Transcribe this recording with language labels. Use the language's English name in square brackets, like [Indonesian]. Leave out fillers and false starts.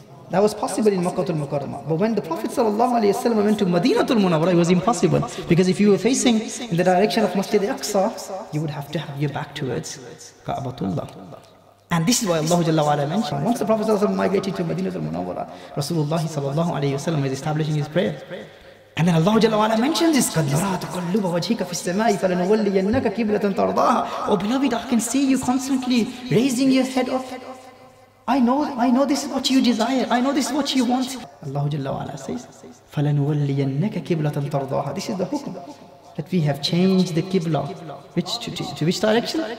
[English] That was possible in Makkah al-Mukarramah. But when the Prophet sallallahu alayhi wa sallam went to Madinah al-Munawwarah, it was impossible. Because if you were facing in the direction of Masjid al-Aqsa, you would have to have your back towards Kaabatullah. And this is why Allah Jalla wa'ala mentioned, once the Prophet sallallahu alayhi wa sallam migrated to Madinah al-Munawwarah, Rasulullah sallallahu alayhi wa sallam was establishing his prayer. [Arabic] And then Allah Jalla wa'ala mentions this, قَدْ نَرَى تَقَلُّبَ وَجْهِكَ فِي السَّمَاءِ فَلَنُوَلِّيَنَّكَ كِبْلَةً تَرْضَاهَا. [English] Oh beloved, I can see you constantly raising your head up. I know this is what you desire. I know this is what you want. Allah Jalla wa'ala says, [Arabic] فَلَنُوَلِّيَنَّكَ كِبْلَةً تَرْضَاهَا. [English] This is the hukum. That we have changed the Qibla. Which, to which direction?